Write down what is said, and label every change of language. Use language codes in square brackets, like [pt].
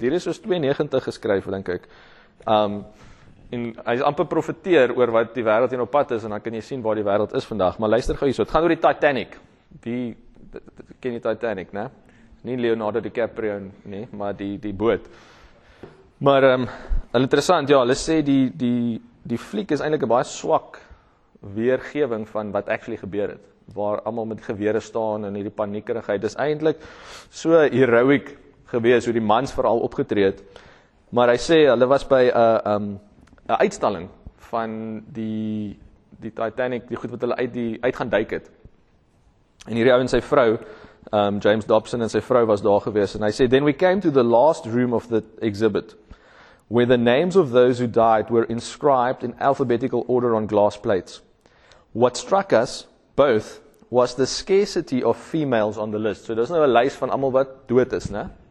[af] Hier is soos 92 geskryf, dink ek. En hy is amper profeteer oor wat die wêreld hier op pad is en dan kan jy sien waar die wêreld is vandag, maar luister gou hierso. Dit gaan oor die Titanic. Die ken jy Titanic, né? Nie Leonardo DiCaprio nie, maar die boot. Maar interessant, ja, hulle sê die fliek is eintlik 'n baie swak weergewing van wat actually gebeur het. Waar almal met gewere staan en hierdie paniekerigheid. Dis eintlik so heroic gewees hoe die mans veral opgetree het. Maar hy sê hulle was by 'n uitstalling van die Titanic, die goed wat hulle uit gaan duik het. En hierdie ou en sy vrou, James Dobson en sy vrou was daar gewees en hy sê, [en] then we came to the last room of the exhibit, where the names of those who died were inscribed in alphabetical order on glass plates. What struck us both was the scarcity of females on the list. [af] So daar is nou 'n lys van almal wat dood is, né?